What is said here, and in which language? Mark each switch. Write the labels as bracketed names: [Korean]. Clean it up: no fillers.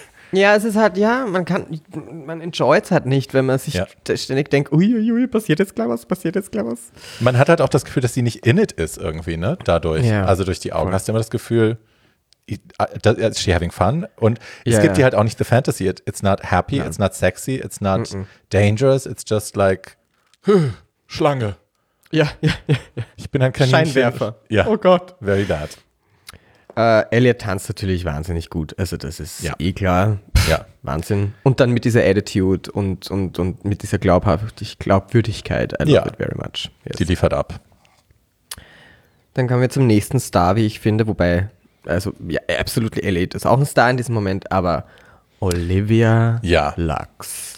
[German] Ja, es ist halt, man enjoyt es halt nicht, wenn man sich ständig denkt, uiuiui, passiert jetzt gleich was. Man hat halt auch das Gefühl, dass sie nicht [English] in it [German] ist irgendwie, ne? Dadurch. Ja. Also durch die Augen hast du immer das Gefühl, [English] is she having fun? [German] Und es gibt dir halt auch nicht [English] the fantasy. It's not happy, it's not sexy, it's not dangerous, it's just like Schlange. [German] Ja. Ich bin ein Kaninchen. Scheinwerfer. Ja. Oh Gott. [English] Very bad. [German] Elliot tanzt natürlich wahnsinnig gut. Also das ist klar. Ja. Wahnsinn. Und dann mit dieser Attitude und mit dieser Glaubwürdigkeit. [English] I love it very much. [German] Yes. Die liefert ab. Dann kommen wir zum nächsten Star, wie ich finde, wobei... Also, absolut, Elliot ist auch ein Star in diesem Moment, aber Olivia Lux.